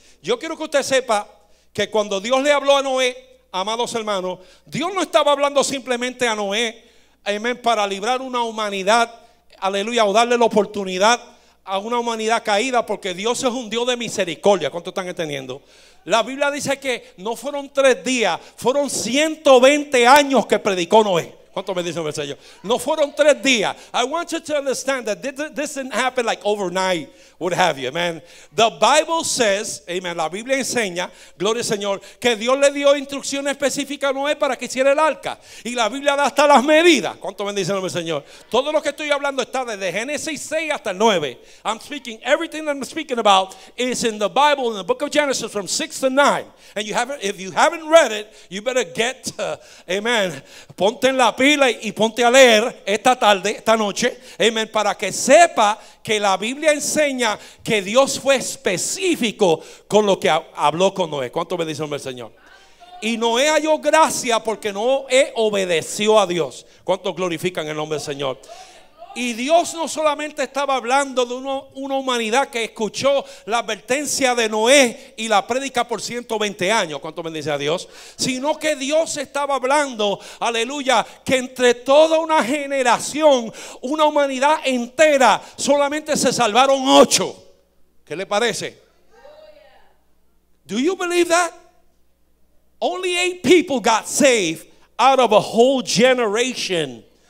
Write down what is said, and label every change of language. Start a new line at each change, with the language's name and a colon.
Spanish: Yo quiero que usted sepa que cuando Dios le habló a Noé, amados hermanos, Dios no estaba hablando simplemente a Noé, amén, para librar una humanidad, aleluya, o darle la oportunidad a una humanidad caída, porque Dios es un Dios de misericordia. ¿Cuánto están entendiendo? La Biblia dice que no fueron 3 días, fueron 120 años que predicó Noé. ¿Cuánto me dice el Señor? No fueron 3 días.
English: I want you to understand that this didn't happen like overnight, what have you, man. The Bible says,
Spanish: amen, la Biblia enseña, gloria al Señor, que Dios le dio instrucciones específicas a Noé para que hiciera el arca. Y la Biblia da hasta las medidas. ¿Cuánto me dice el Señor? Todo lo que estoy hablando está desde Génesis 6 hasta el 9.
English: I'm speaking, everything that I'm speaking about is in the Bible, in the book of Genesis from 6 to 9. And you haven't, if you haven't read it, you better get,
Spanish: amen, ponte en la pila y ponte a leer esta tarde, esta noche, amen, para que sepa que la Biblia enseña que Dios fue específico con lo que habló con Noé. ¿Cuánto bendice el Señor? y Noé halló gracia porque Noé obedeció a Dios. ¿Cuántos glorifican el nombre del Señor? Y Dios no solamente estaba hablando de una humanidad que escuchó la advertencia de Noé y la prédica por 120 años, ¿cuánto bendice a Dios? Sino que Dios estaba hablando, aleluya, que entre toda una generación, una humanidad entera, solamente se salvaron 8. ¿Qué le parece?
English: Do you believe that? Only 8 people got saved out of a whole generation.